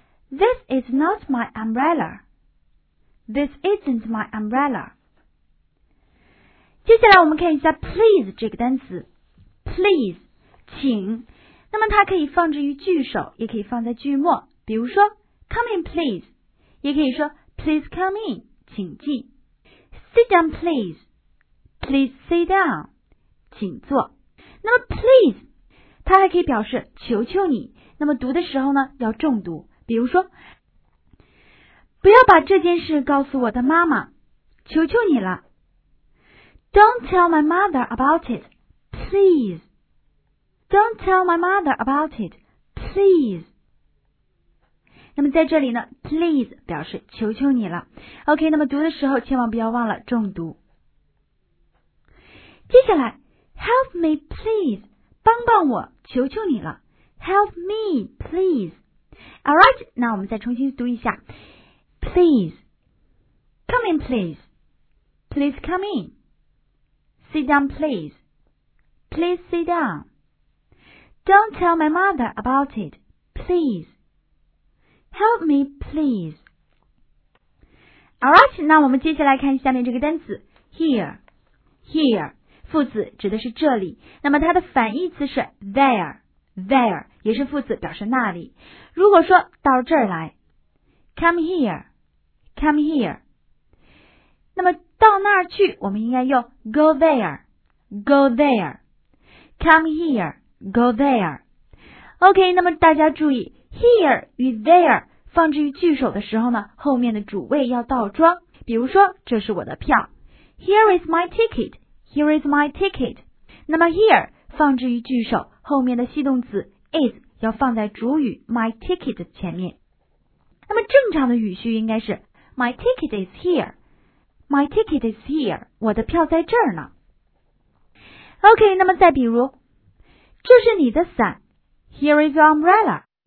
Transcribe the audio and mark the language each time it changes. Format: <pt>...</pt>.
<en>This is not my umbrella. This isn't my umbrella.</en> <zh>接下来我们看一下 please 这个单词。</zh> <en>Please,</en> <zh>请。那么它可以放置于句首，也可以放在句末。比如说</zh> <en>come in please,</en> <zh>也可以说</zh> <en>please come in,</en> <zh>请进。</zh> <en>Sit down please. Please sit down,</en> <zh>请坐。那么 please, 它还可以表示求求你。那么读的时候呢要重读，比如说不要把这件事告诉我的妈妈，求求你了。</zh> <en>Don't tell my mother about it, please. Don't tell my mother about it, please.</en> <zh>那么在这里呢 please 表示求求你了。OK, 那么读的时候千万不要忘了重读。接下来</zh> <en>help me please,</en> <zh>帮帮我，求求你了。</zh> <en>Help me, please.</en> <zh>All right, 那我们再重新读一下。</zh> <en>Please. Come in, please. Please come in. Sit down, please. Please sit down. Don't tell my mother about it, please. Help me, please.</en> <zh>All right, 那我们接下来看下面这个单词。</zh> <en>Here. Here.</en> <zh>副词指的是这里。那么它的反义词是 there. There 也是副词，表示那里。如果说到这儿来 ，</zh> <en>come here, come here。</en> <zh>那么到那儿去，我们应该用</zh> <en>go there, go there, come here, go there。</en> <zh>OK, 那么大家注意 ，here 与 there 放置于句首的时候呢，后面的主谓要倒装。比如说，这是我的票</zh> <en>，Here is my ticket, here is my ticket。</en> <zh>那么 here 放置于句首。后面的系动词 is 要放在主语 my ticket 前面。那么正常的语序应该是</zh> <en>my ticket is here, my ticket is here,</en> <zh>我的票在这儿呢。 OK, 那么再比如，这是你的伞 ，</zh> <en>Here is your umbrella.</en>